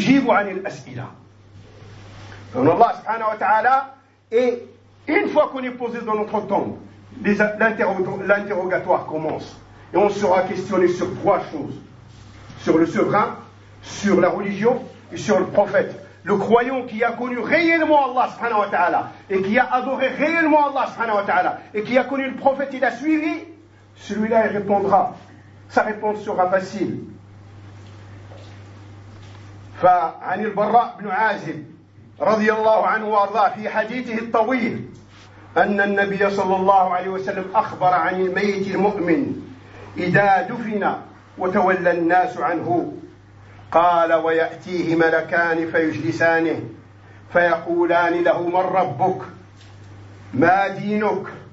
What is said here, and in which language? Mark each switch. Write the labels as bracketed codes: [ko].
[ar] عن الأسئلة فإن الله سبحانه وتعالى [fr] Une fois qu'on est posé dans notre tombe, l'interrogatoire commence. Et on sera questionné sur trois choses. Sur le souverain, sur la religion et sur le prophète. Le croyant qui a connu réellement Allah subhanahu wa ta'ala et qui a adoré réellement Allah subhanahu wa ta'ala et qui a connu le prophète et l'a suivi, celui-là il répondra. Sa réponse sera facile. [ar] فعن البراء بن عازب رضي الله عنه وارضاه في حديثه الطويل أن النبي صلى الله عليه وسلم أخبر عن الميت المؤمن إذا دفن وتولى الناس عنه قال ويأتيه ملكان فيجلسانه فيقولان له من ربك ما دينك